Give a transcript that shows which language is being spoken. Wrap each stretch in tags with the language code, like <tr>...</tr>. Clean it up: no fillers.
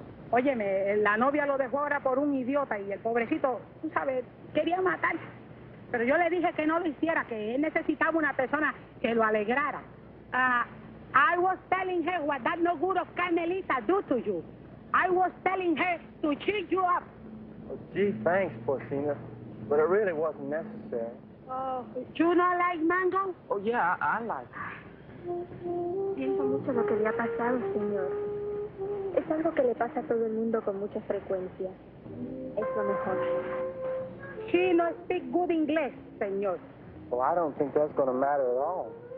<es>Óyeme, la novia lo dejó ahora por un idiota y el pobrecito, tú sabes, quería matar. Pero yo le dije que no lo hiciera, que él necesitaba una persona que lo alegrara.</es> <en>I was telling her what that no good of Carmelita do to you. I was telling her to cheer you up. Oh, gee, thanks, Porcina. But it really wasn't necessary. Oh, you not like Mango? Oh, yeah, I like her.</en> <es>Siento mucho lo que le ha pasado, señor. Es algo que le pasa a todo el mundo con mucha frecuencia. Es lo mejor.</es> <en>She no speak good English, señor. Well, I don't think that's going to matter at all.</en>